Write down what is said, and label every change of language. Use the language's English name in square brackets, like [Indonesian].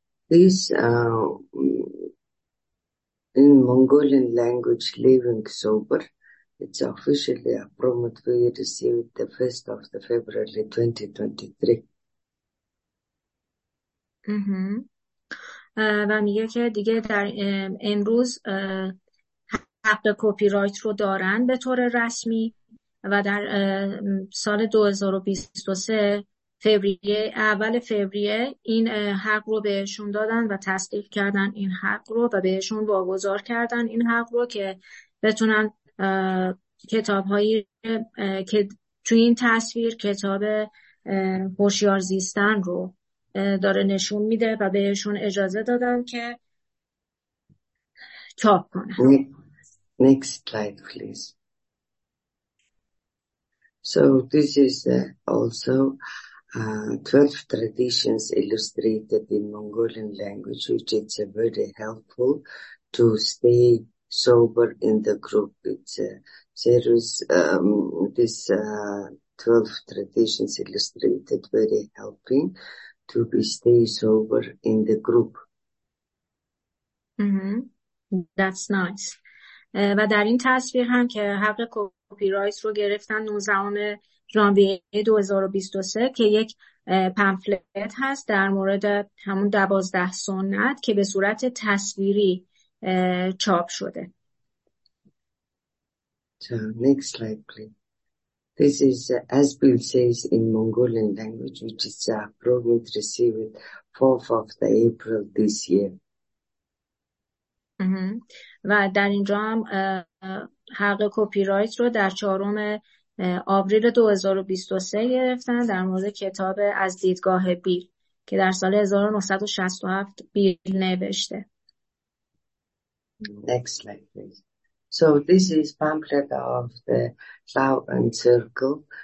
[English] This in Mongolian language, Living Sober, it's officially a promote we received the 1st of the February 2023. [Persian] و میگه که دیگه در امروز حق کپی رایت رو دارن به طور رسمی و در سال 2023 فوریه، اول فوریه این حق رو بهشون دادن و تصدیق کردن این حق رو و بهشون واگذار کردن این حق رو که بتونن کتابهایی که توی این تصویر کتاب هوشیار زیستن رو داره نشون میده و بهشون اجازه دادن که چاپ کنن. [English] Next slide, please. So this is also 12 traditions illustrated in Mongolian language, which is very helpful to stay sober in the group. It's series, this 12 traditions illustrated very helping to be stay sober in the group. That's nice. [Persian] و در این تصویر هم که حق کپی رایت رو گرفتن 19 ژانویه 2023 که یک پمفلت هست در مورد همون 12 سنت که به صورت تصویری چاپ شده. [English] So, next slide, please. This is, as Bill says, in Mongolian language, which is approved, received 4th of the April this year. [Persian] و در اینجا هم حق کپی رایت رو در 4 آوریل 2023 گرفتن در مورد کتاب از دیدگاه بیل که در سال 1967 بیل نوشته. [English] Next slide, please. So this is pamphlet of the Lao and Circle.